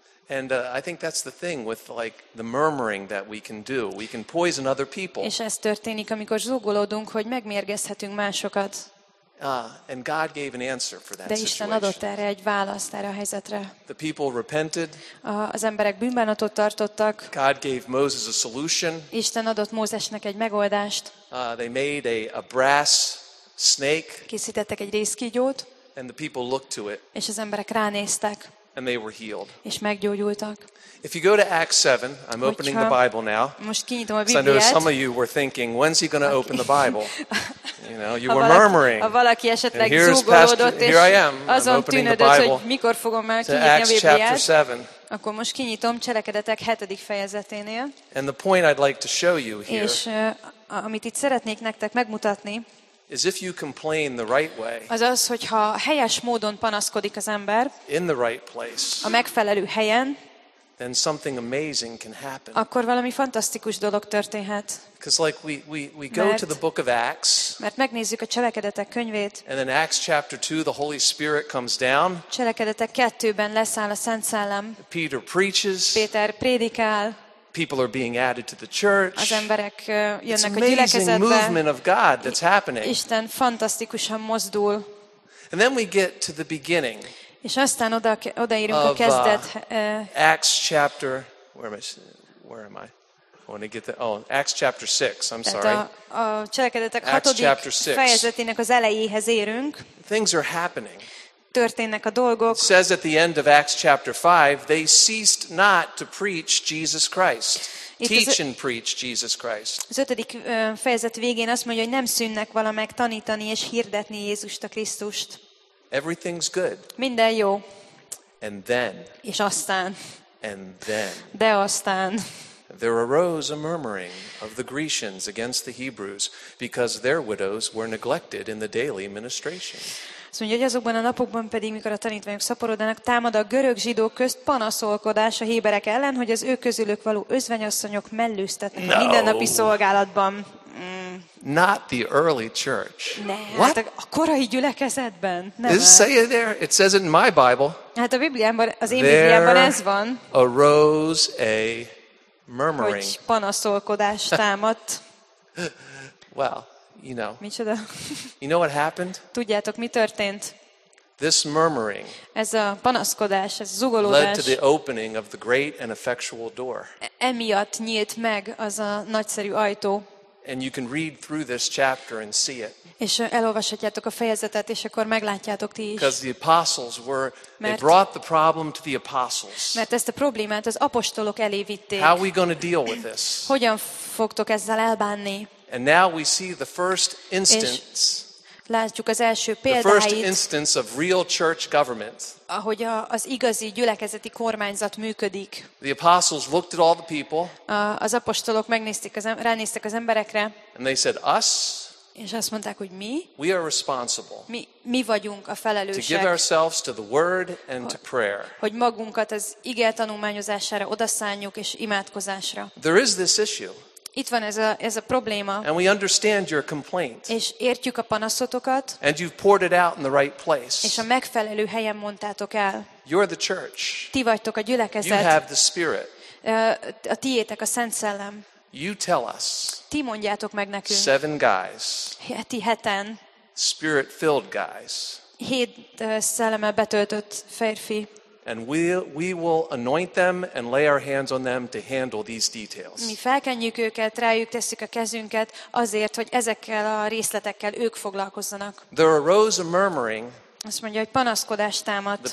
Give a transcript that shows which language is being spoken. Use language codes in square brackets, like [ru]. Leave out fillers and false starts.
[en] And I think that's the thing with like the murmuring that we can do. We can poison other people. [hu] És ez történik, amikor zúgolódunk, hogy megmérgezhetünk másokat. [en] And God gave an answer for that [hu] De Isten adott erre egy választ, erre a helyzetre. [en] The people repented. [hu] Az emberek bűnbánatot tartottak. [en] God gave Moses a solution. [hu] Isten adott Mózesnek egy megoldást. [en] They made a brass snake. [hu] Készítettek egy részkígyót. [en] And the people looked to it. [hu] És az emberek ránéztek. [en] And they were healed. [hu] És meggyógyultak. [en] If you go to Acts 7, I'm opening the Bible now. [hu] Most kinyitom a Bibliát. [en] So I know some of you were thinking, when's he going to open the Bible? You know, you were murmuring. [hu] Ha valaki esetleg zúgolódott, és [en] here I am, [hu] azon tűnődött, hogy mikor fogom már kinyitni a Bibliát, [en] chapter 7. [hu] Akkor most kinyitom Cselekedetek 7. fejezeténél. [en] And the point I'd like to show you here, [hu] és amit itt szeretnék nektek megmutatni, [en] is if you complain the right way. [hu] Azaz, hogyha helyes módon panaszkodik az ember. [en] In the right place. [hu] A megfelelő helyen. [en] Then something amazing can happen. [hu] Akkor valami fantasztikus dolog történhet. [en] Because like we go to the book of Acts. [hu] Mert megnézzük a Cselekedetek könyvét. [en] And in Acts chapter 2 the Holy Spirit comes down. [hu] Cselekedetek 2-ben leszáll a Szent Szellem. [en] Peter preaches. [hu] Péter prédikál. [en] People are being added to the church. [hu] Az emberek jönnek a gyülekezetbe. [en] It's an amazing movement of God that's happening. [hu] Isten fantasztikusan mozdul. [en] And then we get to the beginning. [hu] És aztán odaérünk a kezdet. [en] Acts chapter, where am I? I want to get Acts chapter 6. I'm sorry. [hu] A Cselekedetek 6. fejezetének az elejéhez érünk. [en] Things are happening. [hu] történnek a dolgok. [en] It says at the end of Acts chapter 5, they ceased not to preach Jesus Christ. Teach and preach Jesus Christ. [hu] Az ötödik fejezet végén azt mondja, hogy nem szűnnek vala meg tanítani és hirdetni Jézust a Krisztust. [en] Everything's good. [hu] Minden jó. [en] And then. [hu] És aztán. [en] And then. [hu] De aztán. [en] There arose a murmuring of the Grecians against the Hebrews because their widows were neglected in the daily ministration. [hu] Szóval, hogy azokban a napokban pedig, mikor a tanítványok szaporodnak, támad a görög zsidók közt panaszolkodás a héberek ellen, hogy az ő közülük való özvegyasszonyok mellőztetnek a mindennapi szolgálatban. [en] Not the early church. [hu] Nem. Hát a korai gyülekezetben. Nem. [en] Does it say it there? It says it in my Bible. [hu] Hát a Bibliámban, az én Bibliámban ez van. [en] There arose a murmuring. [hu] Hogy panaszolkodás támadt. [en] Well. You know. [hu] Micsoda? [en] You know what happened? [hu] Tudjátok, mi történt? [en] This murmuring. [hu] Ez a panaszkodás, ez zugolódás. [en] Led to the opening of the great and effectual door. [hu] Emiatt nyílt meg az a nagyszerű ajtó. [en] And you can read through this chapter and see it. [hu] És elolvashatjátok a fejezetet, és akkor meglátjátok ti is. [en] Because the apostles were, they brought the problem to the apostles. [hu] Mert ezt a problémát az apostolok elé vitték. [en] How are we going to deal with this? [hu] Hogyan fogtok ezzel elbánni? [en] And now we see the first instance. [hu] És látjuk az első példáit. [en] The first instance of real church government. [hu] Ahogy az igazi gyülekezeti kormányzat működik. [en] The apostles looked at all the people. [hu] Az apostolok ránéztek az emberekre. [en] And they said, us. [hu] És azt mondták, hogy mi? [en] We are responsible. [hu] Mi vagyunk a felelősek. [en] To give ourselves to the word and to prayer. [hu] Hogy magunkat az ige tanulmányozására odaszánjuk és imádkozásra. [en] There is this issue. [hu] Itt van ez a probléma. [en] And we understand your complaint. [hu] És értjük a panaszotokat. [en] And you've poured it out in the right place. [hu] És a megfelelő helyen mondtátok el. [en] You're the church. [hu] Ti vagytok a gyülekezet. [en] You have the Spirit. [hu] A tiétek a Szent Szellem. [en] You tell us. [hu] Ti mondjátok meg nekünk. [en] Seven guys. [hu] Ti heten. [en] Spirit-filled guys. [hu] Hét szellemmel betöltött férfi. [en] And we will anoint them and lay our hands on them to handle these details. [hu] Mi felkenjük őket, rájuk tesszük a kezünket azért, hogy ezekkel a részletekkel ők foglalkozzanak. [en] There arose a murmuring. [hu] Azt mondja, hogy panaszkodás támadt.